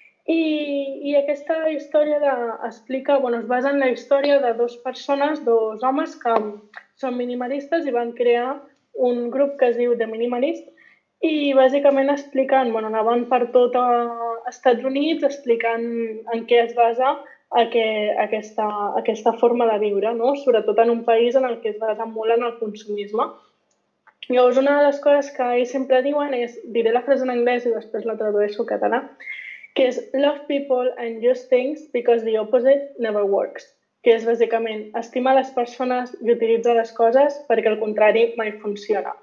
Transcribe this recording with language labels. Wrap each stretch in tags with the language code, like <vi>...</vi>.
<ca>I aquesta història explica, bueno, es basa en la història de dues persones, dos homes que són minimalistes i van crear un grup que es diu The Minimalist, i bàsicament expliquen, bueno, anaven per tot als Estats Units explicant en què es basa aquesta forma de viure, no? Sobretot en un país en el que es basa molt en el consumisme. Llavors, una de les coses que ells sempre diuen és, diré la frase en anglès i després la tradueixo a català, que és</ca> <en>love people and use things because the opposite never works,</en> <ca>que és bàsicament estimar les persones i utilitzar les coses perquè el contrari mai funciona.</ca>